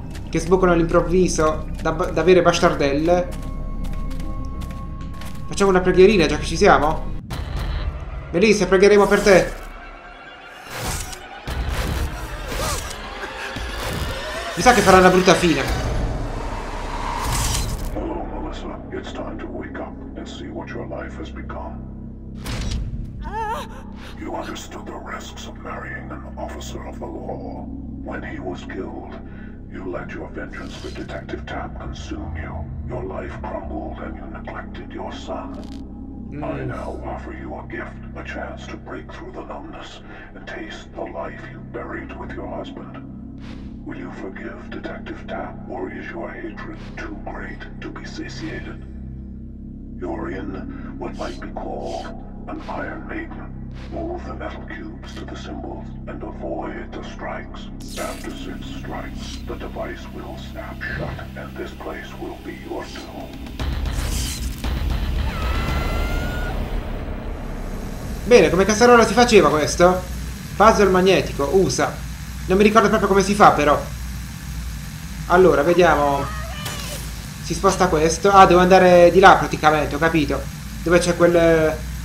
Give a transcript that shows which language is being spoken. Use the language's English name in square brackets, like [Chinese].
[Italian] Che sbucano all'improvviso da vere bastardelle. Facciamo una preghierina già che ci siamo. Melissa, pregheremo per te. Mi sa che farà una brutta fine. [English] Hello, Melissa. It's time to wake up and see what your life has become. You understood the risks of marrying an officer of the law. When he was killed, you let your vengeance with Detective Tapp consume you. Your life crumbled and you neglected your son. I now offer you a gift, a chance to break through the numbness and taste the life you buried with your husband. Will you forgive Detective Ta, or is your hatred too great to be satiated? You're in what might be called an Iron Maiden. Move the metal cubes to the symbols and avoid the strikes. After 6 strikes, the device will snap shut, and this place will be your doom. [Italian] Bene, come cazzarola si faceva questo? Puzzle magnetico, USA. Non mi ricordo proprio come si fa, però. Allora, vediamo. Si sposta questo. Ah, devo andare di là, praticamente, ho capito. Dove c'è quel...